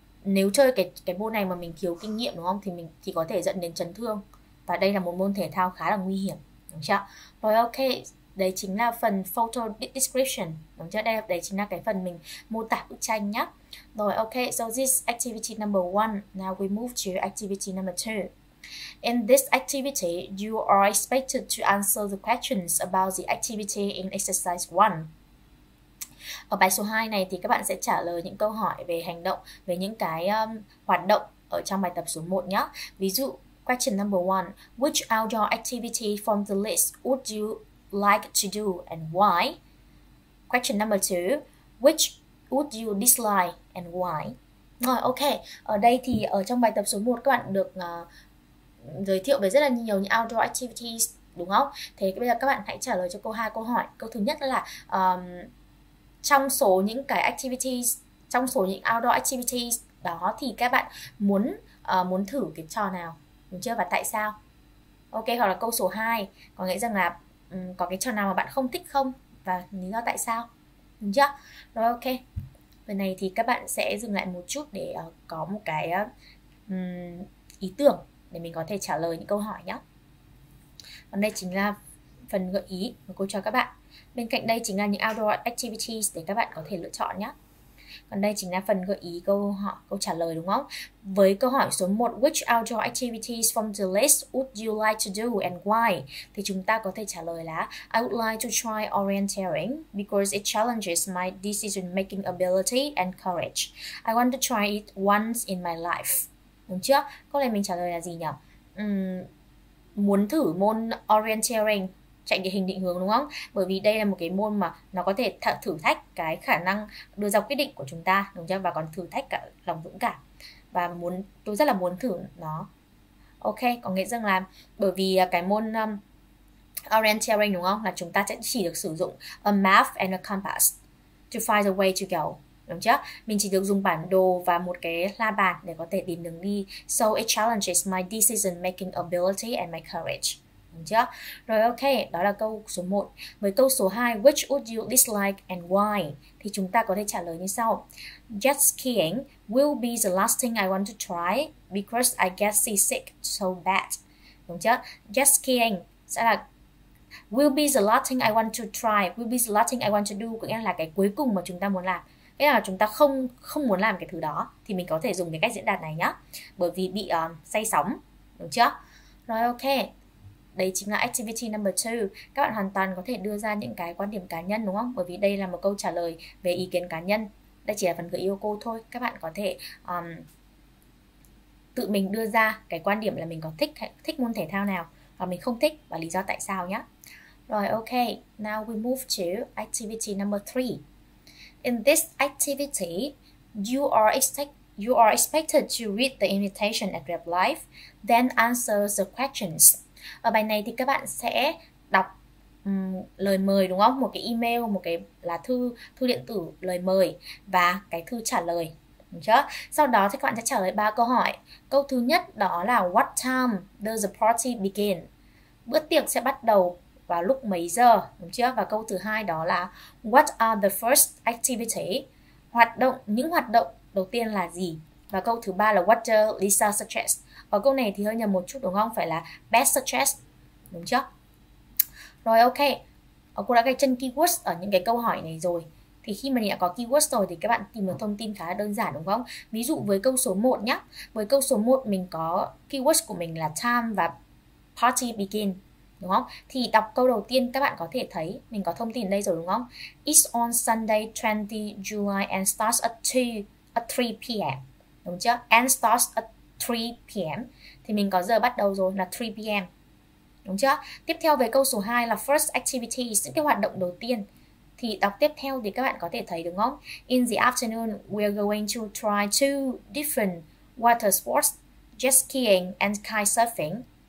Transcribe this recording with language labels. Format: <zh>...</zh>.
<vi>Nếu chơi cái môn này mà mình thiếu kinh nghiệm đúng không thì mình thì có thể dẫn đến chấn thương. Và đây là một môn thể thao khá là nguy hiểm, đúng chưa? Rồi ok, đấy chính là phần photo description, đúng chưa? Đây đấy chính là cái phần mình mô tả bức tranh nhá.</vi> <en>Rồi ok, so this activity number one. Now we move to activity number two. In this activity, you are expected to answer the questions about the activity in exercise one.</en> <vi>Ở bài số 2 này thì các bạn sẽ trả lời những câu hỏi về hành động, về những cái hoạt động ở trong bài tập số 1 nhé.</vi> <en>Ví dụ, question number 1, which outdoor activity from the list would you like to do and why? Question number 2, which would you dislike and why?</en> <vi>Rồi ok, ở đây thì ở trong bài tập số 1 các bạn được giới thiệu về rất là nhiều những outdoor activities đúng không? Thế bây giờ các bạn hãy trả lời cho cô hai câu hỏi. Câu thứ nhất là trong số những cái activities, trong số những outdoor activities đó thì các bạn muốn muốn thử cái trò nào, đúng chưa, và tại sao? Ok, hoặc là câu số 2, có nghĩa rằng là có cái trò nào mà bạn không thích không và lý do tại sao, đúng chưa? Rồi ok, phần này thì các bạn sẽ dừng lại một chút để có một cái ý tưởng để mình có thể trả lời những câu hỏi nhé. Còn đây chính là phần gợi ý mà cô cho các bạn. Bên cạnh đây chính là những outdoor activities để các bạn có thể lựa chọn nhé. Còn đây chính là phần gợi ý câu hỏi, câu trả lời đúng không?</vi> <en>Với câu hỏi số 1, which outdoor activities from the list would you like to do and why?</en> <vi>Thì chúng ta có thể trả lời là</vi> <en>I would like to try orienteering because it challenges my decision making ability and courage. I want to try it once in my life.</en> <vi>Đúng chưa? Câu này mình trả lời là gì nhỉ? Muốn thử môn orienteering, chạy địa hình định hướng đúng không? Bởi vì đây là một cái môn mà nó có thể thử thách cái khả năng đưa ra quyết định của chúng ta, đúng chưa? Và còn thử thách cả lòng dũng cảm. Và tôi rất là muốn thử nó. Ok, có nghĩa rằng là bởi vì cái môn orienteering đúng không? Là chúng ta sẽ chỉ được sử dụng</vi> <en>a map and a compass to find the way to go.</en> <vi>Đúng chưa? Mình chỉ được dùng bản đồ và một cái la bàn để có thể tìm đường đi.</vi> <en>So it challenges my decision making ability and my courage.</en> <vi>Đúng chưa? Rồi ok, đó là câu số 1. Với câu số 2,</vi> <en>which would you dislike and why?</en> <vi>Thì chúng ta có thể trả lời như sau.</vi> <en>Jet skiing will be the last thing I want to try because I get seasick so bad.</en> <vi>Đúng chưa?</vi> <en>Jet skiing</en> <vi>sẽ là</vi> <en>will be the last thing I want to try, will be the last thing I want to do,</en> <vi>có nghĩa là cái cuối cùng mà chúng ta muốn làm. Nghĩa là chúng ta không không muốn làm cái thứ đó thì mình có thể dùng cái cách diễn đạt này nhá. Bởi vì bị say sóng, đúng chưa? Rồi ok. Đấy chính là</vi> <en>activity number 2.</en> <vi>Các bạn hoàn toàn có thể đưa ra những cái quan điểm cá nhân đúng không? Bởi vì đây là một câu trả lời về ý kiến cá nhân. Đây chỉ là phần gợi ý của cô thôi. Các bạn có thể tự mình đưa ra cái quan điểm là mình có thích thích môn thể thao nào và mình không thích và lý do tại sao nhé.</vi> <en>Rồi ok, now we move to activity number 3. In this activity, you are expected to read the invitation at red light, then answer the questions.</en> <vi>Ở bài này thì các bạn sẽ đọc lời mời đúng không? Một cái email, một cái lá thư thư điện tử lời mời và cái thư trả lời, đúng chưa? Sau đó thì các bạn sẽ trả lời ba câu hỏi. Câu thứ nhất đó là</vi> <en>What time does the party begin?</en> <vi>Bữa tiệc sẽ bắt đầu vào lúc mấy giờ, đúng chưa? Và câu thứ hai đó là</vi> <en>what are the first activity?</en> <vi>Hoạt động, những hoạt động đầu tiên là gì? Và câu thứ ba là</vi> <en>what does Lisa suggest?</en> <vi>Và câu này thì hơi nhầm một chút đúng không? Phải là best suggest, đúng chưa? Rồi ok, cô đã gạch chân keywords ở những cái câu hỏi này rồi. Thì khi mà mình đã có keywords rồi thì các bạn tìm được thông tin khá là đơn giản đúng không? Ví dụ với câu số 1 nhé. Với câu số 1 mình có keywords của mình là time và party begin, đúng không? Thì đọc câu đầu tiên các bạn có thể thấy mình có thông tin ở đây rồi đúng không?</vi> <en>It's on Sunday 20 July and starts at 3 p.m.</en> <vi>Đúng chưa?</vi> <en>And starts at 3 p.m.</en> <vi>Thì mình có giờ bắt đầu rồi là 3 p.m. Đúng chưa? Tiếp theo về câu số 2 là first activity, những cái hoạt động đầu tiên. Thì đọc tiếp theo thì các bạn có thể thấy đúng không?</vi> <en>In the afternoon, we're going to try two different water sports, jet skiing and kitesurfing.</en>